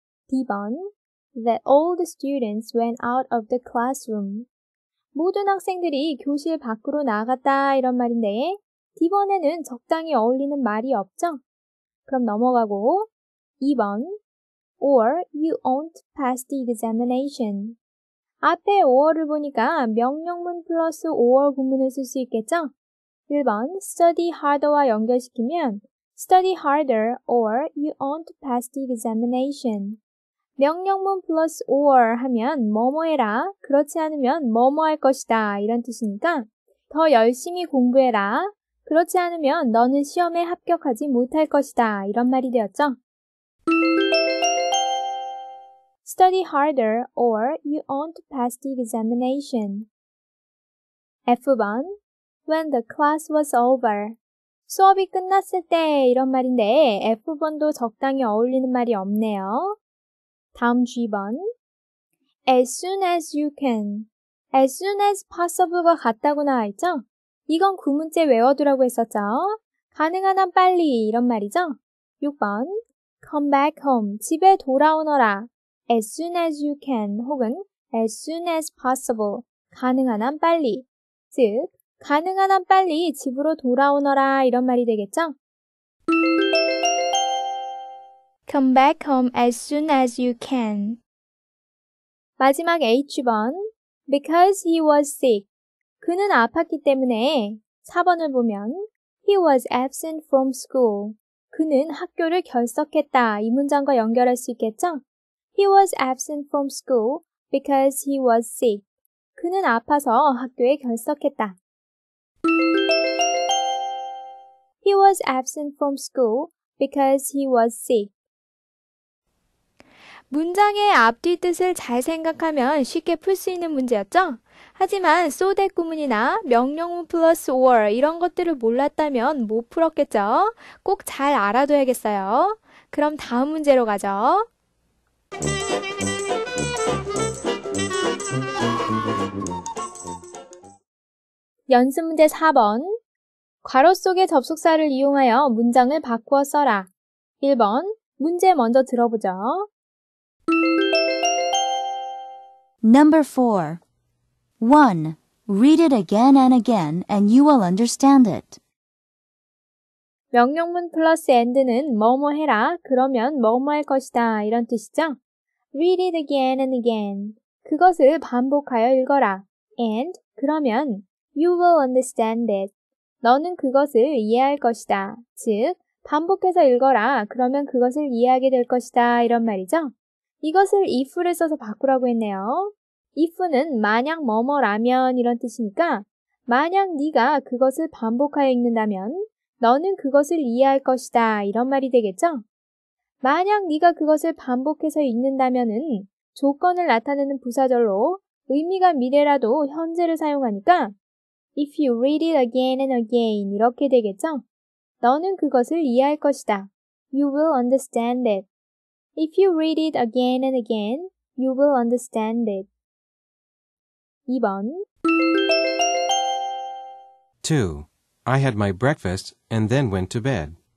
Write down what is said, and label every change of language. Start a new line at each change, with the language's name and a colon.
English: D번 That all the students went out of the classroom.
Korean: 모든 학생들이 교실 밖으로 나갔다 이런 말인데 D번에는 적당히 어울리는 말이 없죠? 그럼 넘어가고
English: 2번 Or you won't pass the examination.
Korean: 앞에 or를 보니까 명령문 플러스 or 구문을 쓸 수 있겠죠?
English: 1번 study harder와
Korean: 연결시키면
English: study harder or you won't pass the examination.
Korean: 명령문 plus or 하면 뭐뭐해라, 그렇지 않으면 뭐뭐할 것이다 이런 뜻이니까 더 열심히 공부해라, 그렇지 않으면 너는 시험에 합격하지 못할 것이다 이런 말이 되었죠.
English: study harder or you won't pass the examination. F번 When the class was over.
Korean: 수업이 끝났을 때 이런 말인데 F번도 적당히 어울리는 말이 없네요.
English: 다음 G번 As soon as you can. As soon as possible가 같다고 나와있죠?
Korean: 이건 구문제 외워두라고 했었죠? 가능한 한 빨리 이런 말이죠?
English: 6번 Come back home.
Korean: 집에 돌아오너라.
English: As soon as you can 혹은 As soon as possible.
Korean: 가능한 한 빨리. 즉 가능한 한 빨리 집으로 돌아오너라 이런 말이 되겠죠?
English: Come back home as soon as you can. 마지막 H번 Because he was sick.
Korean: 그는 아팠기 때문에 4번을 보면
English: He was absent from school.
Korean: 그는 학교를 결석했다 이 문장과 연결할 수 있겠죠?
English: He was absent from school because he was sick.
Korean: 그는 아파서 학교에 결석했다.
English: He was absent from school because he was sick.
Korean: 문장의 앞뒤 뜻을 잘 생각하면 쉽게 풀 수 있는 문제였죠? 하지만 so that 구문이나 명령문 plus or 이런 것들을 몰랐다면 못 풀었겠죠? 꼭 잘 알아둬야겠어요. 그럼 다음 문제로 가죠. 연습 문제 4번 괄호 속의 접속사를 이용하여 문장을 바꾸어 써라. 1번 문제 먼저 들어보죠.
English: Number 4. 1. Read it again and again and you will understand it.
Korean: 명령문 플러스 and는 뭐뭐 해라, 그러면 뭐뭐 할 것이다 이런 뜻이죠.
English: Read it again and again.
Korean: 그것을 반복하여 읽어라.
English: And 그러면 you will understand it.
Korean: 너는 그것을 이해할 것이다. 즉, 반복해서 읽어라. 그러면 그것을 이해하게 될 것이다. 이런 말이죠. 이것을 if를 써서 바꾸라고 했네요. if는 만약 뭐뭐라면 이런 뜻이니까 만약 네가 그것을 반복하여 읽는다면 너는 그것을 이해할 것이다. 이런 말이 되겠죠? 만약 네가 그것을 반복해서 읽는다면은 조건을 나타내는 부사절로 의미가 미래라도 현재를 사용하니까
English: If you read it again and again
Korean: 이렇게 되겠죠? 너는 그것을 이해할 것이다.
English: You will understand it. If you read it again and again, you will understand it.
Korean: 2번 2.
English: I had my breakfast and then went to bed.